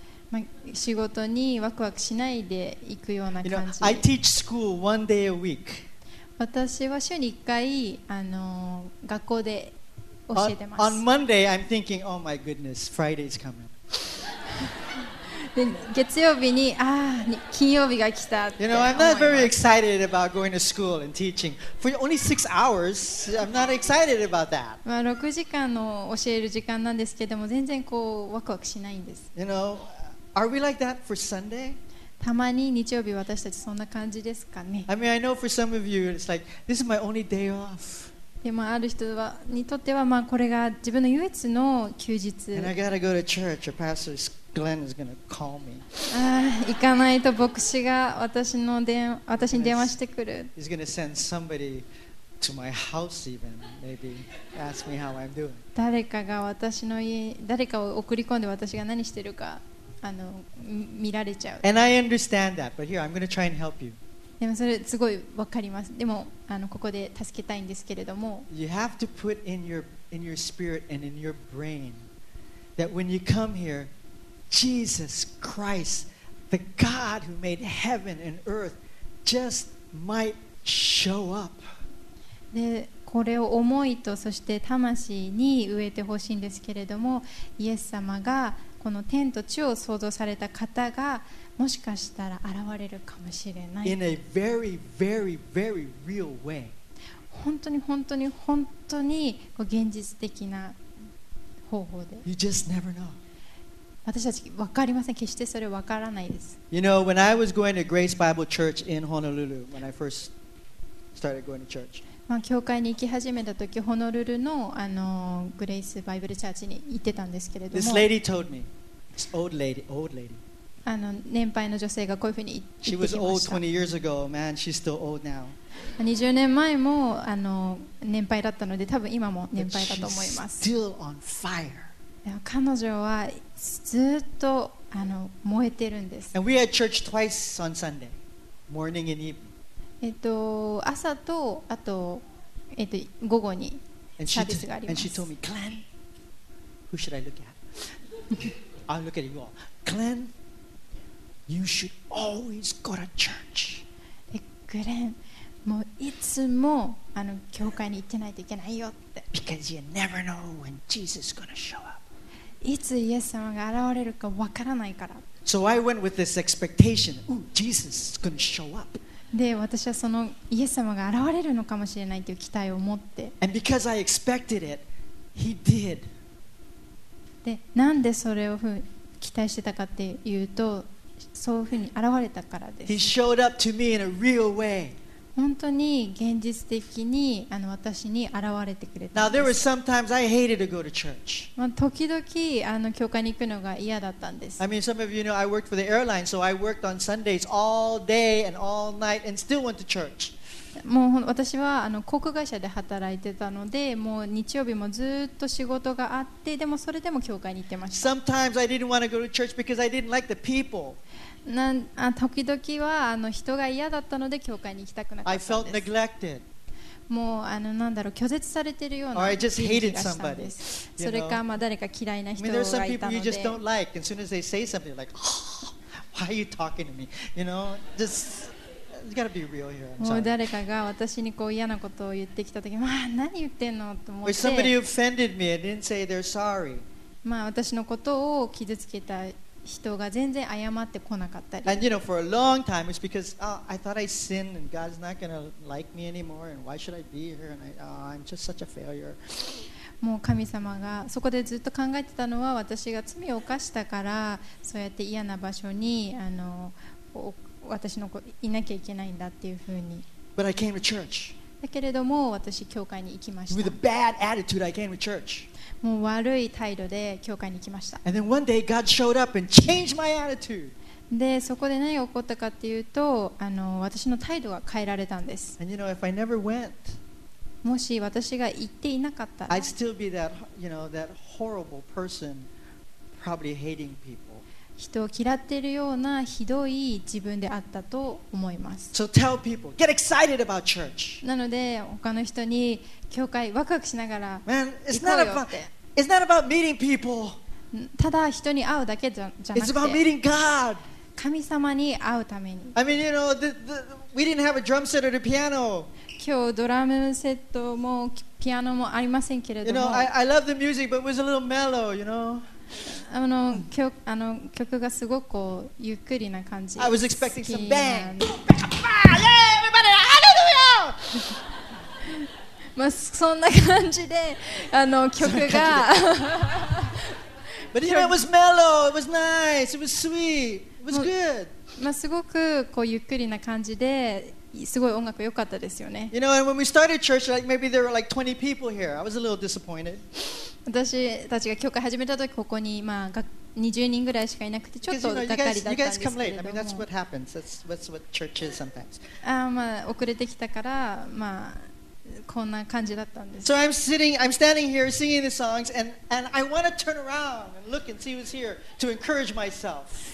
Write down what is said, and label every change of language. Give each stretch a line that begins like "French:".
Japanese: まあ仕事にワクワクしないで行くような感じ
English: You know, I teach school one day a week.
Japanese: 私は週に1回学校で教えてます
English: On Monday, I'm thinking, oh my goodness, Friday's coming.
Japanese: で月曜日にああ金曜日が来たって
English: You know, I'm not very excited about going to school and teaching for only 6 hours. I'm not excited about that.
Japanese: まあ6時間の教える時間なんですけども全然こうワクワクしないんです。
English: You know, are we like that for Sunday?
Japanese: たまに日曜日私たちそんな感じですかね。
English: I mean, I know for some of you it's like this is my only day off.
Japanese: でもある人はにとってはまあこれが自分の唯一の休日。
English: And I gotta go to church. Your pastor Glenn is gonna call me.
Japanese: ああ、行かないと牧師が私に電話してくる。
English: He's gonna send somebody to my house even maybe ask me how I'm doing.
Japanese: 誰かが私の家誰かを送り込んで私が何してるか見られちゃう。
English: And I understand that, but here I'm gonna try and help you.
Japanese: でもそれすごいわかります。でもここで助けたいんですけれども。
English: You have to put in your spirit and in your brain that when you come here, Jesus Christ, the God who made heaven and earth, just might show up.
Japanese: で、これを思いとそして魂に植えてほしいんですけれども、イエス様がこの天と地を創造された方が。もしかしたら現れるかもしれない。
English: In a very, very, very real way.
Japanese: 本当に本当に本当に現実的な方法で。 You just never know. 私たち分かりません。決してそれ分からないです。
English: You know, when I was going to Grace Bible Church in Honolulu, when I first started going to church.
Japanese: まあ、教会に行き始めた時ホノルル の, あのグレイスバイブルチャーチに行ってたんですけれども
English: This lady told me This old lady, old lady.
Japanese: あの年配の女性がこういうふうに言ってきました
English: She was old 20 years ago Man, she's still old now
Japanese: 20年前もあの年配だったので多分今も年配だと思います
English: But she's still on fire
Japanese: 彼女はずっとあの燃えてるんです
English: And we had church twice on Sunday Morning and evening
Japanese: 朝とあと、午後にサービスがあります
English: And she told me, Glenn, who should I look at? I'll look at you all. Glenn, you should always go to church.
Japanese: Glenn, もういつもあの教会に行ってないといけないよって。
English: Because you never know when Jesus is going to show up.
Japanese: いつイエス様が現れるかわからないから。
English: So I went with this expectation, ooh, Jesus is going to show up.
Japanese: で私はそのイエス様が現れるのかもしれないという期待を持って
English: And because I expected it, he did.
Japanese: でなんでそれを期待してたかっていうとそういうふうに現れたからです
English: He showed up to me in a real way.
Japanese: 本当に現実的にあの私に現れてくれたんです
English: Now, there were sometimes I hated to go to church.
Japanese: まあ、時々あの教会に行くのが嫌だったんです
English: I mean, some of you know I worked for the airline, so I worked on Sundays all day and all night and still went to church.
Japanese: もう私はあの航空会社で働いてたのでもう日曜日もずっと仕事があってでもそれでも教会に行ってました
English: Sometimes I didn't want to go to church because I didn't like the people.
Japanese: 時々はあの人が嫌だったので教会に行きたくなかったんです
English: I felt neglected.
Japanese: もうあのなんだろう拒絶されてるような気がしたんです
English: Or I just hated somebody, you know?
Japanese: それかまあ誰か嫌いな人がいたので
English: I mean, there are some people you just don't like as soon as they say something like oh, why are you talking to me? You know, just you gotta be real here.
Japanese: もう誰かが私にこう嫌なことを言ってきた時、まあ、何言ってんのと思って
English: Or somebody offended me and didn't say they're sorry.
Japanese: まあ私のことを傷つけた人が全然謝ってこなかったり
English: And you know for a long time it's because、oh, I thought I sinned and God's not gonna like me anymore and why should I be here and I,、oh, I'm just such a failure
Japanese: もう神様がそこでずっと考えてたのは私が罪を犯したからそうやって嫌な場所にあの私の子いなきゃいけないんだっていうふうに
English: But I came to church
Japanese: だけれども私教会に行きました
English: With a bad attitude I came to church
Japanese: もう悪い態度で教会に行きました。
English: And then one day God showed up and changed my attitude.
Japanese: で、そこで何が起こったかっていうと、あの、私の態度が変えられたんです。
English: And you know, if I never went,
Japanese: もし私が行っていなかったら、
English: I'd still be that, you know, that horrible person, probably hating people.
Japanese: 人を嫌っているようなひどい自分であったと思います。
English: So tell people, get excited about church.
Japanese: なので、他の人に教会ワクワクしながら行こうよって
English: Man, it's not about meeting people.
Japanese: ただ人に会うだけじゃなくて
English: It's about meeting God.
Japanese: 神様に会うために
English: I mean, you know, we didn't have a drum set or a piano.
Japanese: 今日ドラムセットもピアノもありませんけれども
English: You know, I love the music, but it was a little mellow, you know.
Japanese: あの曲がすごくこうゆっくりな感じ
English: I was expecting some bang. Yay, everybody, hallelujah!
Japanese: まあ、そんな感じで、あの曲が。
English: But you know, it was mellow, it was nice, it was sweet, it was good.
Japanese: まあ、すごくこうゆっくりな感じで、すごい音楽良かったですよね。
English: You know, and when we started church, like maybe there were like 20 people here. I was a little disappointed.
Japanese: 私たちが教会始めた時、ここにまあ20人ぐらいしかいなくてちょっとがっかりだったんですけれども
English: You guys come late. I mean, that's what happens. That's what church is sometimes.
Japanese: あ、まあ、遅れてきたから、まあ。こんな感じだったんです。
English: So I'm standing here singing the songs and I want to turn around and look and see who's here to encourage myself.